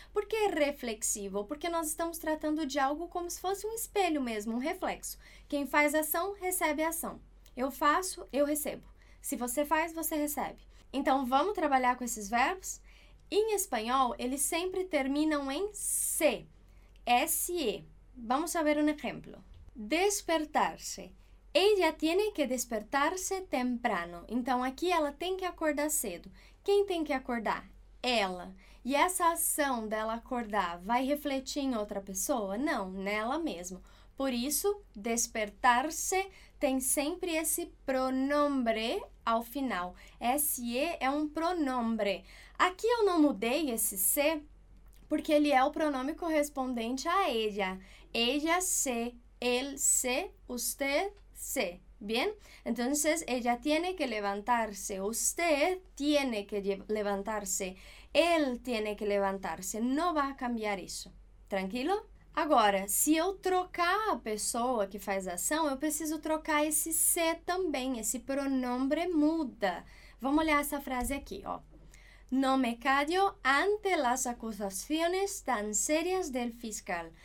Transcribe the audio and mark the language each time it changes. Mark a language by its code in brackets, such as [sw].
[pt] Por que reflexivo? Porque nós estamos tratando de algo como se fosse um espelho mesmo, um reflexo. Quem faz ação, recebe ação. Eu faço, eu recebo. Se você faz, você recebe. Então, vamos trabalhar com esses verbos? Em espanhol, eles sempre terminam em se. S-E. Vamos a ver um exemplo. Despertar-se. [es] Ella tiene que despertarse temprano. [pt] Então, aqui ela tem que acordar cedo. Quem tem que acordar? Ela. E essa ação dela acordar vai refletir em outra pessoa? Não, nela mesma. Por isso, despertar-se tem sempre esse pronombre ao final. S-E é um pronombre. Aqui eu não mudei esse C porque ele é o pronome correspondente a ella. [es] Ella se, él se, usted se. Bien? Entonces, ella tiene que levantarse. Usted tiene que levantarse. Él tiene que levantarse, no va a cambiar isso. [pt] Tranquilo? Agora, se eu trocar a pessoa que faz a ação, eu preciso trocar esse se também, esse pronome muda. Vamos olhar essa frase aqui, ó. [es] Não me callo ante las acusaciones tan serias del fiscal.